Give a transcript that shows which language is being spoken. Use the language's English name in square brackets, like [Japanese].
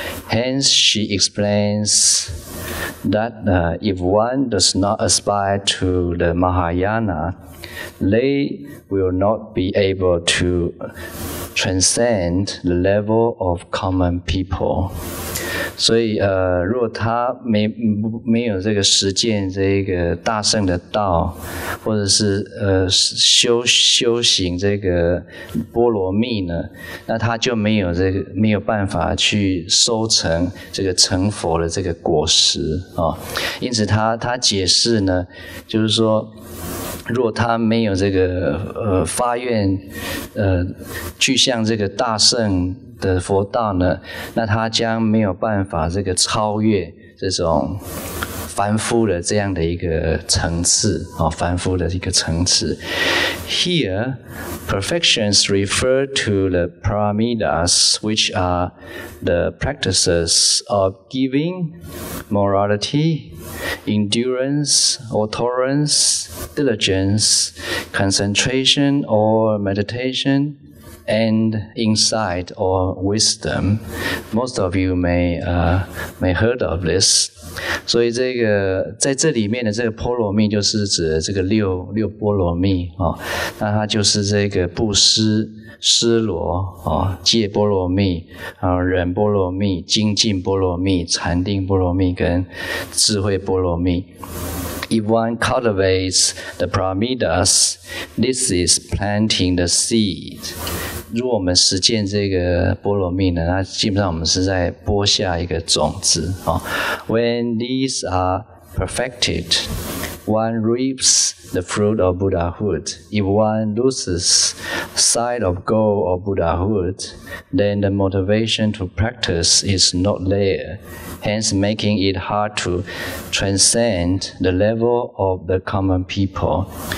[English] Hence, she explains that if one does not aspire to the Mahayana, they will not be able to transcend the level of common people. [Chinese] 所以如果他没有这个实践这个大圣的道，或者是修行这个波罗蜜呢，那他就没有办法去收成这个成佛的这个果实哦。因此他解释呢，就是说如果他没有这个发愿去向这个大圣的佛道呢，那他将没有办法这个超越这种凡夫的这样的一个层次、哦、凡夫的一个层次。 [English] Here, perfections refer to the paramitas, which are the practices of giving, morality, endurance, or tolerance, diligence, concentration, or meditation. And insight or wisdom, most of you may heard of this. [Chinese] 所以这个在这里面的这个波罗蜜就是指这个六波罗蜜哦，那它就是这个布施、施罗哦、戒波罗蜜、忍波罗蜜、精进波罗蜜、禅定波罗蜜跟智慧波罗蜜。 [English] If one cultivates the paramitas, this is planting the seed. [Chinese] 如果我们实践这个波罗蜜呢，那基本上我们是在播下一个种子。 [English] When these are perfected, one reaps the fruit of Buddhahood. If one loses sight of goal of Buddhahood, then the motivation to practice is not there. Hence, making it hard to transcend the level of the common people.